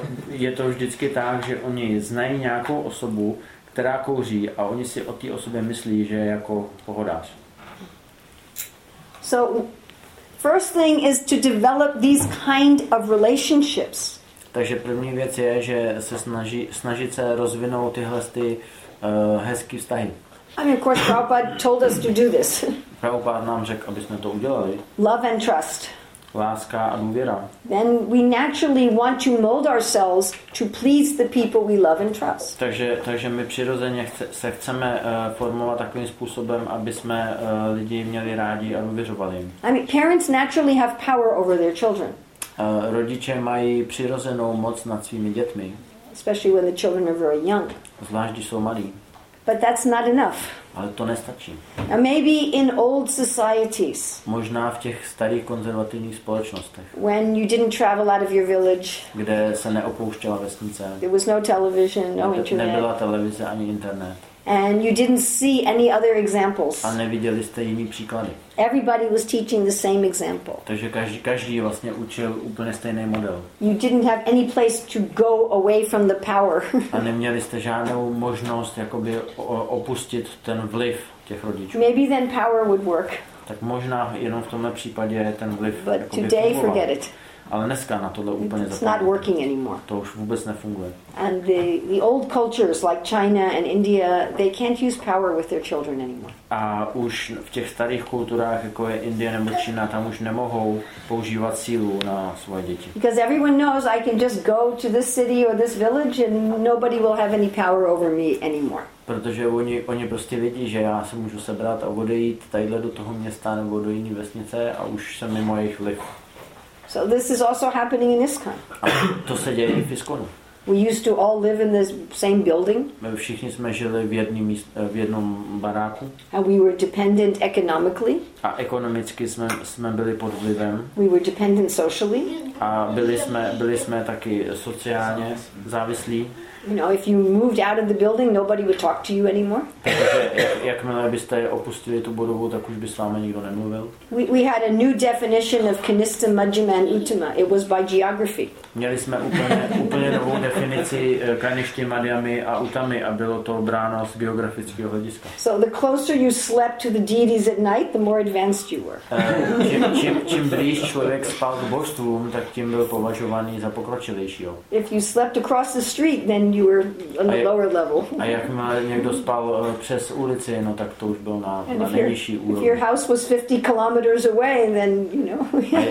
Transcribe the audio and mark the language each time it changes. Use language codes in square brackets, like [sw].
[cs] Je to vždycky tak, že oni znají nějakou osobu, která kouří, a oni si o té osobě myslí, že je jako pohodář. [en] So first thing is to develop these kind of relationships. [cs] Takže první věc je, že se snažit se rozvinout tyhle ty hezký vztahy. [en] I mean, of course, Prabhupada told us to do this. [cs] Prabhupada nám řekl, aby jsme to udělali. [en] Love and trust. [cs] Láska a důvěra. [en] Then we naturally want to mold ourselves to please the people we love and trust. [cs] Takže my přirozeně se chceme formovat takovým způsobem, aby jsme lidi měli rádi a důvěřovali jim. [en] I mean, parents naturally have power over their children. [cs] Rodiče mají přirozenou moc nad svými dětmi. [en] Especially when the children are very young. [cs] Zvlášť, když jsou malí. [en] But that's not enough. [cs] Ale to nestačí. [en] And maybe in old societies. [cs] Možná v těch starých konzervativních společnostech. [en] When you didn't travel out of your village. [cs] Kde se neopouštěla vesnice. [en] There was no television, no internet. [cs] Nebyla televize ani internet. [en] And you didn't see any other examples. [cs] A neviděli jste jiný příklady. [en] Everybody was teaching the same example. [cs] Takže každý vlastně učil úplně stejný model. [en] You didn't have any place to go away from the power. [cs] A neměli jste žádnou možnost jakoby opustit ten vliv těch rodičů. [en] Maybe then power would work. [cs] Tak možná jenom v tomhle případě ten vliv jakoby fungoval. [en] But today, forget it. [cs] Ale dneska na tohle úplně zapomeňte. [en] It's not working anymore. [cs] To už vůbec nefunguje. [en] And the old cultures like China and India, they can't use power with their children anymore. [cs] A už v těch starých kulturách, jako je Indie nebo Čína, tam už nemohou používat sílu na svoje děti. [en] Because everyone knows I can just go to this city or this village and nobody will have any power over me anymore. [cs] Protože oni prostě vidí, že já se můžu sebrat a odejít tadyhle do toho města nebo do jiné vesnice a už jsem mimo jejich vliv. [en] So this is also happening in ISKCON. [cs] To se děje i v ISKCONu. [en] We used to all live in the same building. [cs] My všichni jsme žili v jednom baráku. [en] And we were dependent economically. [cs] A ekonomicky jsme byli pod vlivem. [en] We were dependent socially. [cs] A byli jsme taky sociálně závislí. [en] You know, if you moved out of the building, nobody would talk to you anymore. [cs] Jakmile byste opustili tu budovu, tak už by s vámi nikdo nemluvil. [en] We had a new definition of kanista, majjhima and uttama. It was by geography. [cs] Měli jsme úplně novou definici kanisty, majjhimy a utamy a bylo to bráno z geografického hlediska. [en] So the closer you slept to the deities at night, the more advanced you were. [cs] Čím blíž člověk spal k božstvům, tak tím byl považovaný za pokročilejšího. [en] If you slept across the street, then you were on the lower level. [cs] A jakmile někdo spal přes ulici, no tak to už byl na nejnižší úrovni. [en] If your house was 50 kilometers away, then you know.